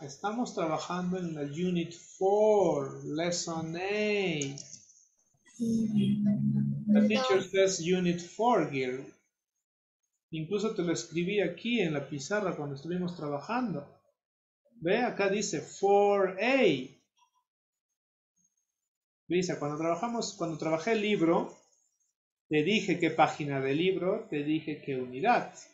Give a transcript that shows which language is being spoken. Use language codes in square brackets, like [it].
[es] Estamos trabajando en la Unit 4, Lesson 8. [en] The teacher says Unit 4, Gil. [es] Incluso te lo escribí aquí en la pizarra cuando estuvimos trabajando. Ve, acá dice 4A. Lisa, cuando trabajé el libro, te dije qué página del libro, te dije qué unidad.